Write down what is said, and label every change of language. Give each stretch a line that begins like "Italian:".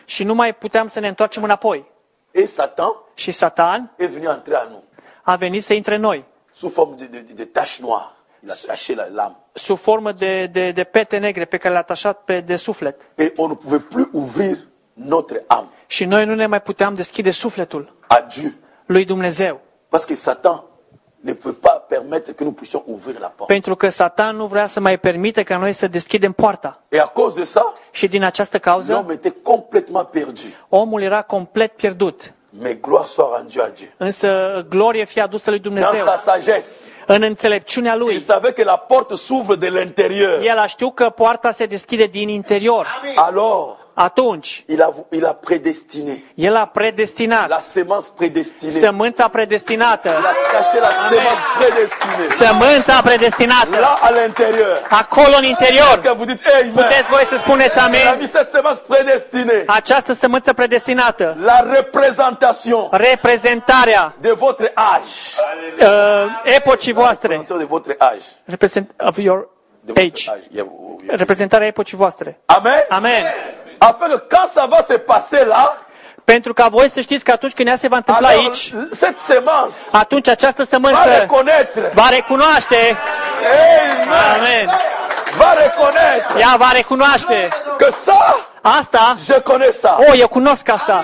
Romanian: Și nu mai puteam să ne întoarcem înapoi.
French: Et Satan.
Romanian: Și Satan.
French: Est venu entrer à nous.
Romanian: A venit să intre noi.
French: Sous forme de taches noires. Il a taché la lame.
Romanian: Sub formă de pete negre pe care l-a atașat pe de suflet.
French: Et on ne pouvait plus ouvrir notre âme.
Romanian: Și noi nu ne mai puteam deschide sufletul.
French: À Dieu.
Romanian: Lui Dumnezeu.
French: Parce que Satan ne peut pas permettre que nous puissions ouvrir la porte.
Romanian: Pentru că Satan nu vrea să mai permită ca noi să deschidem poarta.
French: Et à cause de ça?
Romanian: Și din această cauză?
French: L'homme était complètement perdu.
Romanian: Omul era complet pierdut.
French: Mais gloire soit rendue à Dieu.
Romanian: Însă glorie fie adusă lui Dumnezeu.
French: Dans sa sagesse.
Romanian: În înțelepciunea lui.
French: Il savait que la porte s'ouvre de l'intérieur.
Romanian: El a știut că poarta se deschide din interior.
French: Alors.
Romanian: Atunci.
French: Il a predestiné.
Romanian: El a predestinat.
French: La semence predestinée.
Romanian: Sămânța predestinată.
French: La semence predestinée.
Romanian: Sămânța predestinată.
French: Là à l'intérieur.
Romanian: Acolo în interior.
French: Est-ce que vous dites amen?
Romanian: Puteți voi să spuneți amen?
French: La cette semence predestinée.
Romanian: Această sămânță predestinată.
French: La représentation.
Romanian: Reprezentarea.
French: De votre âge.
Romanian: Epocii voastre.
French: De votre âge.
English: Represent of your age.
Romanian: Reprezentarea epocii voastre. Amen. Amen.
French: Afin que quand ça va se passer là,
Romanian: pentru ca voi să știți că atunci când ea se va întâmpla aici,
French: cette semence,
Romanian: atunci această sămânță va recunoaște. Amen. Amen. Va recunoaște. Ea va recunoaște. Că ça, asta,
French: je connais ça.
Romanian: Oh, eu cunosc asta.